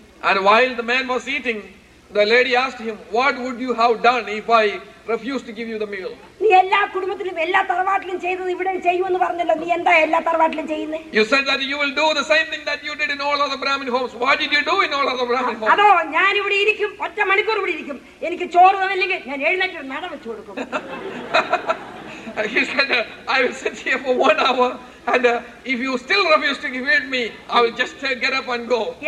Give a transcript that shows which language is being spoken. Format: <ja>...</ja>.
<en>And while the man was eating, the lady asked him, what would you have done if I refused to give you the meal?</en> <ml>നീ എല്ലാ കുടുംബത്തിലും എല്ലാ തറവാട്ടിലും ചെയ്തത് ഇവിടെ ചെയ്യുമെന്ന് പറഞ്ഞല്ലോ, നീ എന്താ എല്ലാ തറവാട്ടിലും ചെയ്യുന്നേ?</ml> <en>You said that you will do the same thing that you did in all other Brahmin homes. What did you do in all other Brahmin homes?</en> <ml>അതോ ഞാൻ ഇവിടെ ഇരിക്കും, ഒറ്റ മണിക്കൂർ ഇവിടെ ഇരിക്കും, എനിക്ക് ചോറ് തന്നില്ലെങ്കിൽ ഞാൻ എഴുന്നേറ്റ് ഒരു മണം വെച്ചു കൊടുക്കും.</ml> <en>He said, I will sit here for 1 hour and if you still refuse to feed me, I will just get up and go.</en>